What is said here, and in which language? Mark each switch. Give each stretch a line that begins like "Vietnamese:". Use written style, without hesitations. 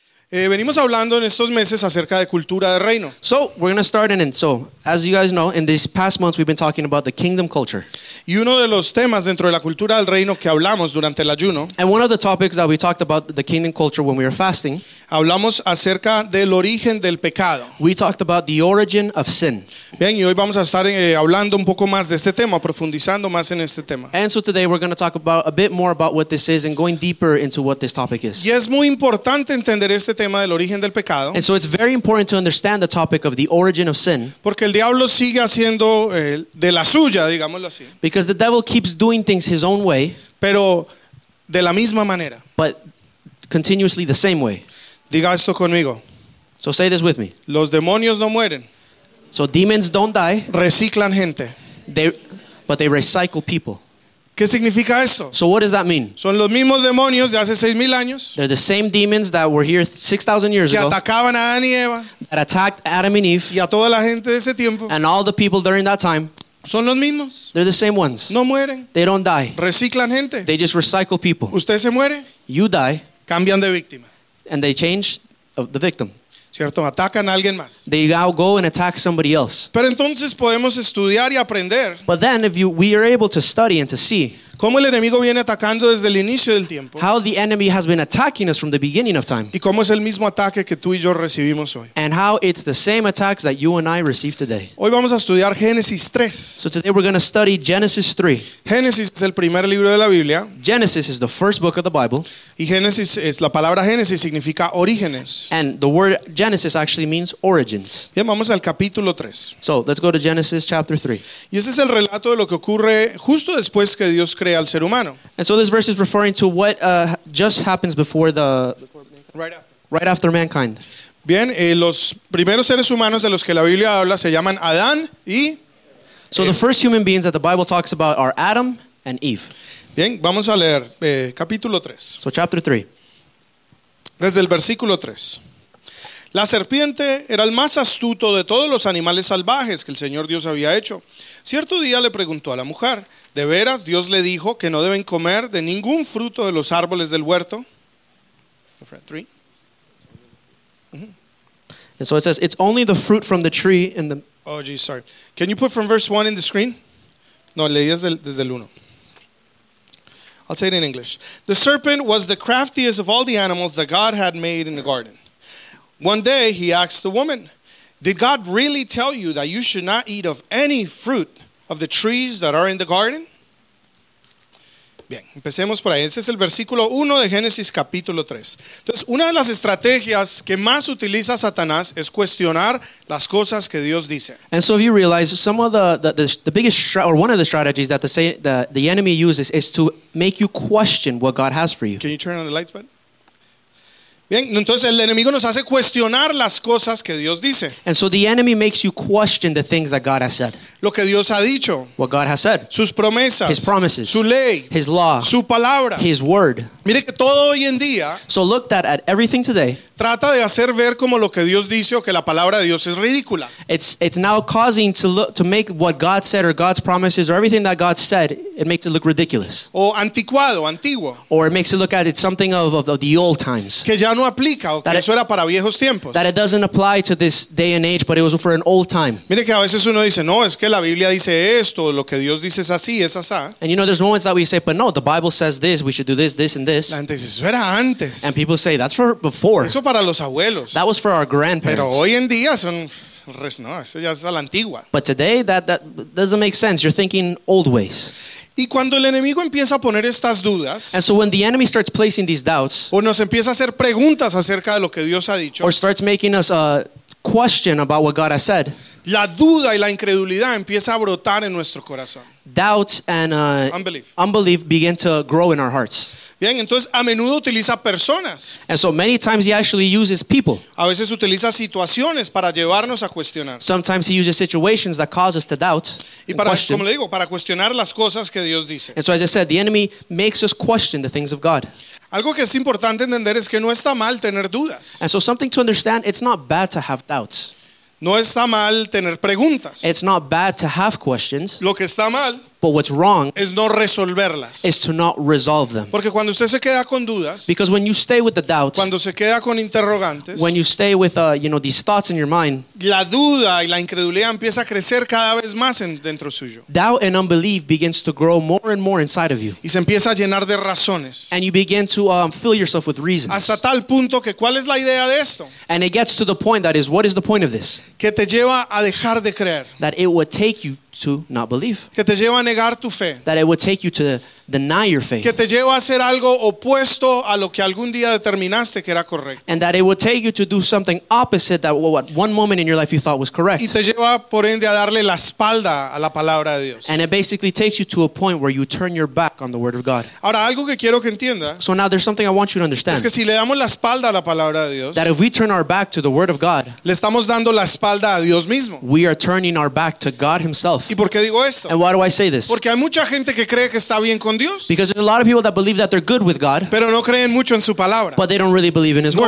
Spanish: Venimos hablando en estos meses acerca de cultura de reino.
English: So, we're going to start in it. So, as you guys know, in these past months we've been talking about the kingdom culture.
Spanish: Y uno de los temas dentro de la cultura del reino que hablamos durante el ayuno.
English: And one of the topics that we talked about the kingdom culture when we were fasting.
Spanish: Hablamos acerca del origen del pecado.
English: We talked about the origin of sin.
Spanish: Bien, y hoy vamos a estar hablando un poco más de este tema, profundizando más en este tema.
English: And so today we're going to talk about a bit more about what this is and going deeper into what this topic is.
Spanish: Y es muy importante entender este tema.
English: And so it's very important to understand the topic of the origin of sin.
Spanish: Porque el diablo sigue haciendo de la suya, digámoslo así.
English: Because the devil keeps doing things his own way.
Spanish: Pero de la misma manera.
English: But continuously the same way.
Spanish: Diga esto conmigo.
English: So say this with me.
Spanish: Los demonios no mueren.
English: So demons don't die.
Spanish: Reciclan gente.
English: But they recycle people.
Spanish: ¿Qué significa esto?
English: So what does that mean?
Spanish: Son los mismos demonios de hace 6,000 años.
English: They're the same demons that were here 6,000 years
Spanish: que
English: ago.
Spanish: Que atacaban a Adán y Eva.
English: That attacked Adam and Eve.
Spanish: Y a toda la gente de ese tiempo.
English: And all the people during that time.
Spanish: Son los mismos.
English: They're the same ones.
Spanish: No mueren.
English: They don't die.
Spanish: Reciclan gente.
English: They just recycle people.
Spanish: Usted se muere.
English: You die.
Spanish: Cambian de víctima.
English: And they change the victim.
Spanish: Cierto, atacan a alguien más.
English: They now go and attack somebody else.
Spanish: Pero entonces podemos estudiar y aprender.
English: But then we are able to study and to see.
Spanish: Cómo el enemigo viene atacando desde el inicio del tiempo.
English: How the enemy has been attacking us from the beginning of time.
Spanish: Y cómo es el mismo ataque que tú y yo recibimos hoy.
English: And how it's the same attacks that you and I receive today.
Spanish: Hoy vamos a estudiar Génesis 3.
English: So today we're going to study Genesis 3.
Spanish: Génesis es el primer libro de la Biblia.
English: Genesis is the first book of the Bible.
Spanish: Y Génesis es la palabra Génesis significa orígenes.
English: And the word Genesis actually means origins.
Spanish: Bien, vamos al capítulo 3.
English: So let's go to Genesis chapter 3.
Spanish: Y este es el relato de lo que ocurre justo después que Dios creó. Al ser humano.
English: And so this verse is referring to what just happens before the right after mankind.
Spanish: Bien, los primeros seres humanos de los que la Biblia habla se llaman Adán y.
English: So the first human beings that the Bible talks about are Adam and Eve.
Spanish: Bien, vamos a leer capítulo 3.
English: So chapter 3.
Spanish: Desde el versículo 3. La serpiente era el más astuto de todos los animales salvajes que el Señor Dios había hecho. Cierto día le preguntó a la mujer, ¿de veras Dios le dijo que no deben comer de ningún fruto de los árboles del huerto?
English: And so it says, it's only the fruit from the tree in the... Oh, geez, sorry. Can you put from verse 1 in the screen?
Spanish: No, leí desde el 1.
English: I'll say it in English. The serpent was the craftiest of all the animals that God had made in the garden. One day he asked the woman, did God really tell you that you should not eat of any fruit of the trees that are in the garden?
Spanish: Bien, empecemos por ahí. Ese es el versículo 1 de Génesis capítulo 3. Entonces, una de las estrategias que más utiliza Satanás es cuestionar las cosas que Dios dice.
English: And so if you realize, some of the biggest, or one of the strategies that the enemy uses is to make you question what God has for you. Can you turn on the lights, bud?
Spanish: Bien, entonces el enemigo nos hace cuestionar las cosas que Dios dice.
English: And so the enemy makes you question the things that God has said.
Spanish: Lo que Dios ha dicho.
English: What God has said.
Spanish: Sus promesas.
English: His promises.
Spanish: Su ley.
English: His law.
Spanish: Su palabra.
English: His word.
Spanish: Mire que todo hoy en día.
English: So look that at everything today.
Spanish: Trata de hacer ver como lo que Dios dice o que la palabra de Dios es ridícula.
English: It's now causing to make what God said or God's promises or everything that God said, it makes it look ridiculous.
Spanish: O anticuado, antiguo.
English: Or it makes it look at it something of the old times.
Spanish: Que ya no aplica o que eso era para viejos tiempos.
English: That it doesn't apply to this day and age, but it was for an old time.
Spanish: Mire que a veces uno dice, no, es que la Biblia dice esto, lo que Dios dice es así, es asá.
English: And you know, there's moments that we say, but no, the Bible says this, we should do this, this, and this.
Spanish: La gente dice, eso era antes.
English: And people say, that's for before.
Spanish: Eso para los abuelos.
English: That was for our grandparents.
Spanish: Pero hoy en día son... No, eso ya es a la antigua.
English: But today, that doesn't make sense. You're thinking old ways.
Spanish: Y cuando el enemigo empieza a poner estas dudas,
English: and so when the enemy starts placing these doubts,
Spanish: o nos empieza a hacer preguntas acerca de lo que Dios ha dicho,
English: or starts making us question about what God has said,
Spanish: la duda y la incredulidad empieza a brotar en nuestro corazón.
English: Doubt and unbelief begin to grow in our hearts.
Spanish: Bien, entonces a menudo utiliza personas.
English: And so many times he actually uses people.
Spanish: A veces utiliza situaciones para llevarnos a cuestionar.
English: Sometimes he uses situations that cause us to doubt.
Spanish: Y para, como le digo, para cuestionar las cosas que Dios dice.
English: And so as I said, the enemy makes us question the things of God.
Spanish: Algo que es importante entender es que no está mal tener dudas.
English: And so something to understand, it's not bad to have doubts.
Spanish: No está mal tener preguntas.
English: It's not bad to have questions.
Spanish: Lo que está mal,
English: But what's wrong
Spanish: es no resolverlas.
English: Is to not resolve them.
Spanish: Porque cuando usted se queda con dudas,
English: because when you stay with the doubts,
Spanish: cuando se queda con interrogantes,
English: when you stay with you know, these thoughts in your mind,
Spanish: la duda y la incredulidad empieza a crecer cada vez más en, dentro suyo.
English: Doubt and unbelief begins to grow more and more inside of you.
Spanish: Y se empieza a llenar de razones.
English: And you begin to fill yourself with reasons.
Spanish: Hasta tal punto que ¿cuál es la idea de esto?
English: And it gets to the point that is, what is the point of this?
Spanish: Que te lleva a dejar de creer.
English: That it would take you to not believe.
Spanish: Que te lleva a negar tu fe.
English: That it would take you to deny your faith.
Spanish: Que te lleva a hacer algo opuesto a lo que algún día determinaste que era correcto.
English: And that it would take you to do something opposite that what one moment in your life you thought was correct.
Spanish: Y te lleva por ende a darle la espalda a la palabra de Dios.
English: And it basically takes you to a point where you turn your back on the word of God.
Spanish: Ahora algo que quiero que entienda.
English: So now there's something I want you to understand.
Spanish: Es que si le damos la espalda a la palabra de Dios,
English: that if we turn our back to the word of God,
Spanish: le estamos dando la espalda a Dios mismo.
English: We are turning our back to God himself.
Spanish: ¿Y por qué digo esto?
English: And why do I say this?
Spanish: Porque hay mucha gente que cree que está bien con Dios.
English: Because there's a lot of people that believe that they're good with God.
Spanish: Pero no creen mucho en su palabra.
English: But they don't really believe in his word.